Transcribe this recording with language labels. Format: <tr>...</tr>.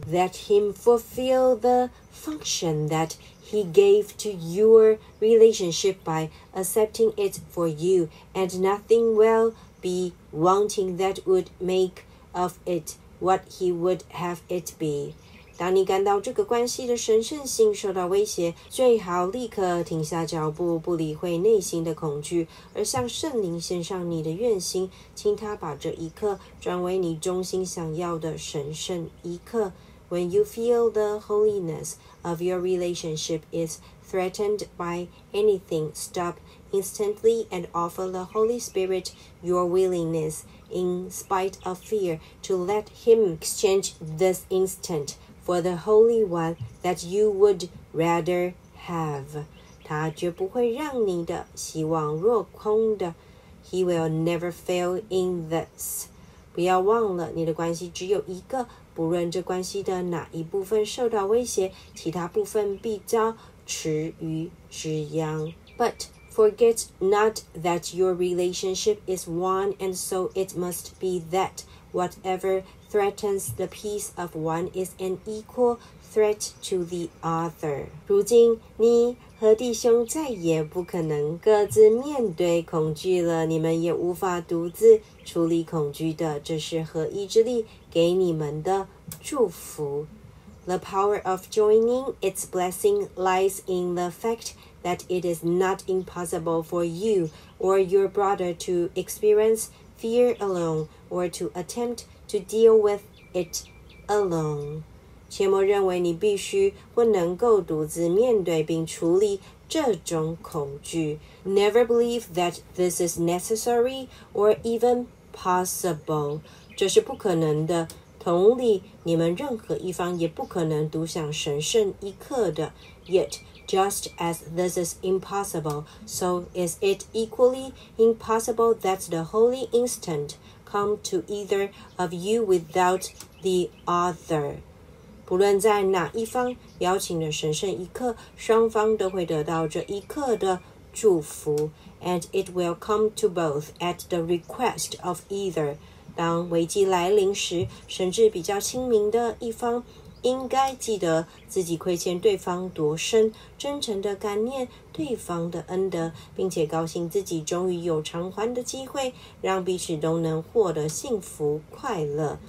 <en>Let him fulfill the function that he gave to your relationship by accepting it for you, and nothing will be wanting that would make of it what he would have it be.</en> <zh>当你感到这个关系的神圣性受到威胁，最好立刻停下脚步，不理会内心的恐惧，而向圣灵献上你的愿心，请他把这一刻转为你衷心想要的神圣一刻。</zh> <en>When you feel the holiness of your relationship is threatened by anything, stop instantly and offer the Holy Spirit your willingness, in spite of fear, to let him exchange this instant. For the Holy One that you would rather have.</en> <zh>他绝不会让你的希望落空的。</zh> <en>He will never fail in this.</en> <zh>不要忘了，你的关系只有一个，不论这关系的哪一部分受到威胁，其他部分必遭池鱼之殃。</zh> <en>But forget not that your relationship is one, and so it must be that whatever threatens the peace of one is an equal threat to the other.</en> <zh>如今你和弟兄再也不可能各自面对恐惧了，你们也无法独自处理恐惧的，这是合一之力给你们的祝福。</zh> <en>The power of joining its blessing lies in the fact that it is not impossible for you or your brother to experience fear alone or to attempt to deal with it alone.</en> <zh>切莫认为你必须或能够独自面对并处理这种恐惧。</zh> <en>Never believe that this is necessary or even possible.</en> <zh>这是不可能的，同理你们任何一方也不可能独享神圣一刻的。</zh> <en>Yet, just as this is impossible, so is it equally impossible that the holy instant come to either of you without the other.</en> <zh>不论在哪一方邀请的神圣一刻，双方都会得到这一刻的祝福。</zh> <en>And it will come to both at the request of either.</en> <zh>当危机来临时，神智比较清明的一方应该记得自己亏欠对方多深，真诚地感念对方的恩德，并且高兴自己终于有偿还的机会，让彼此都能获得幸福快乐。</zh>